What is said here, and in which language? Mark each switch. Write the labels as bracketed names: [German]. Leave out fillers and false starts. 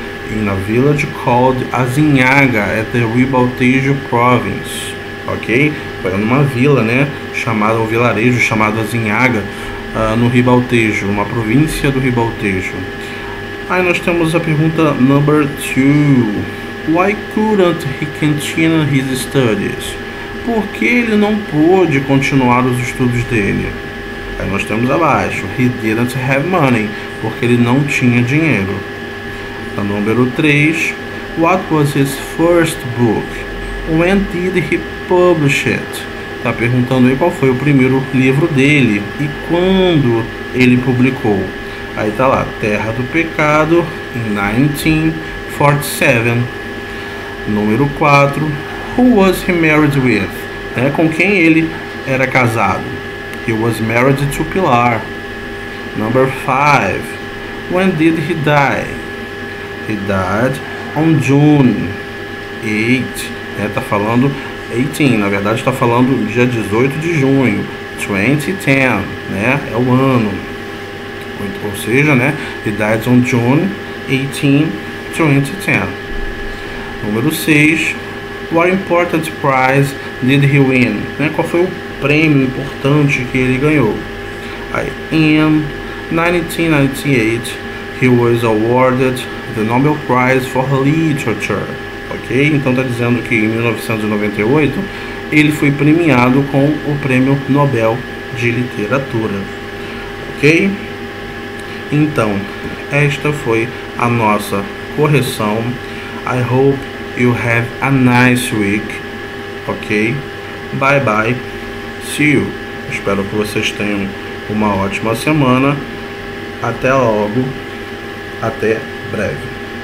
[English] In a village called Azinhaga at the Ribaltejo province. [Portuguese] Ok? Foi numa vila, né? Chamada, um vilarejo chamado Azinhaga, no Ribaltejo, uma província do Ribaltejo. Aí nós temos a pergunta [English] number 2. Why couldn't he continue his studies? [Portuguese] Por que ele não pôde continuar os estudos dele? Aí nós temos abaixo: [English] He didn't have money. [Portuguese] Porque ele não tinha dinheiro. A número 3. [English] What was his first book? When did he publish it? [Portuguese] Está perguntando aí qual foi o primeiro livro dele e quando ele publicou. Aí tá lá: Terra do Pecado, em 1947. Número 4. [English] Who was he married with? [Portuguese] É, com quem ele era casado? [English] He was married to Pilar. Number 5. When did he die? He died on June 8. [Portuguese] Tá falando 18. Na verdade, tá falando dia 18 de junho. 2010. Né? É o ano. Ou seja, né? [English] He died on June 18, 2010. [Portuguese] Número 6. [English] What important prize did he win? [Portuguese] Né? Qual foi o prêmio importante que ele ganhou? [English] Aí, in 1998, he was awarded the Nobel Prize for Literature. Ok? [Portuguese] Então está dizendo que em 1998 ele foi premiado com o Prêmio Nobel de Literatura. Ok? Então, esta foi a nossa correção. [English] I hope you have a nice week. Ok? Bye bye. See you. [Portuguese] Espero que vocês tenham uma ótima semana. Até logo. Até breve.